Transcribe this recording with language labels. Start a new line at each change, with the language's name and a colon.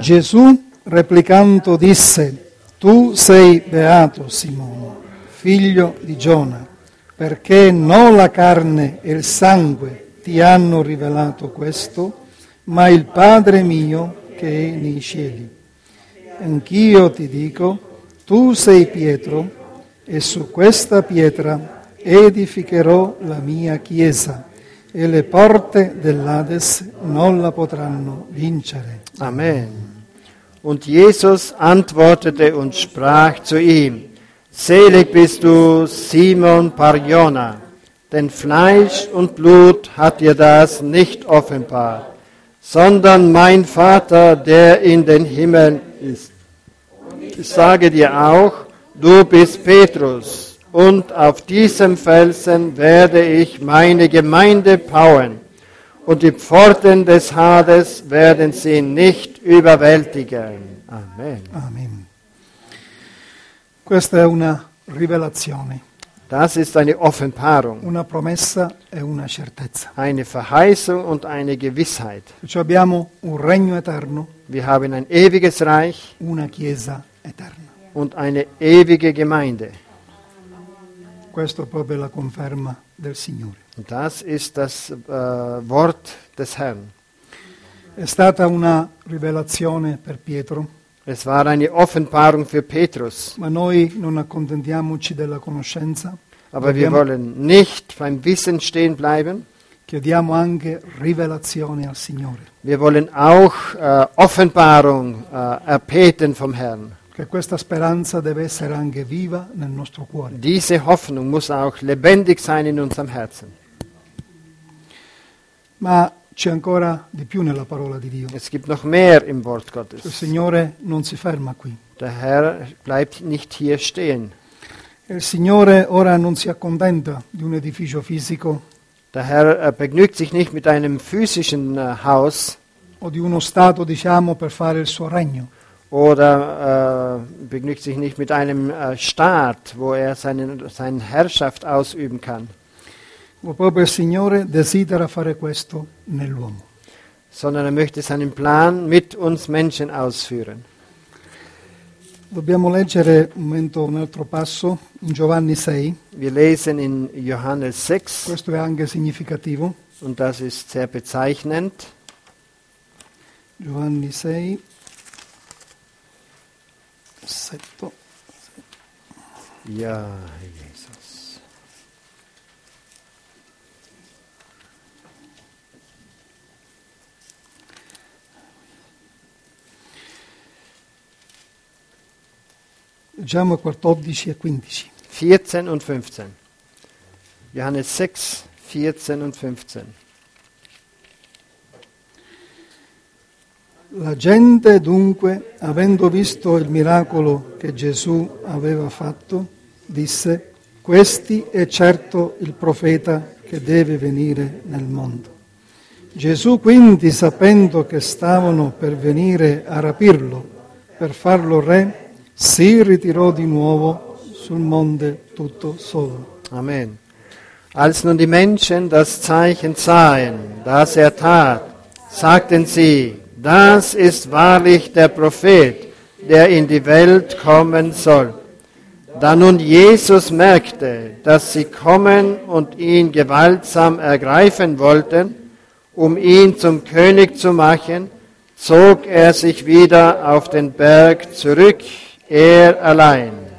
Italian: Gesù replicando disse: Tu sei beato, Simone, figlio di Giona, perché non la carne e il sangue ti hanno rivelato questo, ma il Padre mio che è nei cieli. Anch'io ti dico: Tu sei Pietro, e su questa pietra edificherò la mia chiesa, e le porte dell'Hades non la potranno vincere. Amen.
German: Und Jesus antwortete und sprach zu ihm: Selig bist du, Simon Parjona, denn Fleisch und Blut hat dir das nicht offenbart, sondern mein Vater, der in den Himmel ist. Ich sage dir auch, du bist Petrus, und auf diesem Felsen werde ich meine Gemeinde bauen, und die Pforten des Hades werden sie nicht überwältigen. Amen. Amen.
Italian: Questa è una rivelazione.
German: Das ist eine Offenbarung.
Italian: Una promessa e una certezza.
German: Eine Verheißung und eine Gewissheit.
Italian: Cioè abbiamo un regno eterno.
German: Wir haben ein ewiges Reich.
Italian: Una chiesa eterna.
German: Und eine ewige Gemeinde.
Italian: Questo è proprio la conferma del Signore.
German: Das ist das Wort des Herrn.
Italian: È stata una rivelazione per Pietro.
German: Es war eine Offenbarung für Petrus.
Italian: Ma noi non accontentiamoci della conoscenza.
German: Aber wir wollen nicht beim Wissen stehen bleiben.
Italian: Chiediamo anche rivelazione al Signore.
German: Wir wollen auch Offenbarung erbeten vom Herrn.
Italian: Che questa speranza deve essere anche viva nel nostro cuore.
German: Diese Hoffnung muss auch lebendig sein in unserem Herzen.
Italian: Ma c'è ancora di più nella parola di Dio.
German: Es gibt noch mehr im Wort Gottes.
Italian: Il Signore non si ferma qui.
German: Der Herr bleibt nicht hier stehen.
Italian: Il Signore ora non si accontenta di un edificio fisico.
German: Der Herr begnügt sich nicht mit einem physischen Haus.
Italian: O di uno stato, diciamo, per fare il suo regno.
German: Oder begnügt sich nicht mit einem Staat, wo er seine Herrschaft ausüben kann.
Italian: Ma proprio il Signore desidera fare questo nell'uomo.
German: Sondern er möchte seinen Plan mit uns Menschen ausführen.
Italian: Dobbiamo leggere un momento un altro passo in Giovanni 6.
German: Wir lesen in Johannes 6.
Italian: Questo è anche significativo.
German: Und das ist sehr bezeichnend.
Italian: Giovanni 6.
German: Ja, Jesus.
Italian: Leggiamo 14 e 15.
German: 14 und 15. Johannes 6, 14 und 15.
Italian: La gente dunque, avendo visto il miracolo che Gesù aveva fatto, disse: questi è certo il profeta che deve venire nel mondo. Gesù quindi, sapendo che stavano per venire a rapirlo, per farlo re, si ritirò di nuovo sul monte tutto solo. Amen.
German: Als nun die Menschen das Zeichen sahen, das er tat, sagten sie: das ist wahrlich der Prophet, der in die Welt kommen soll. Da nun Jesus merkte, dass sie kommen und ihn gewaltsam ergreifen wollten, um ihn zum König zu machen, zog er sich wieder auf den Berg zurück, er allein.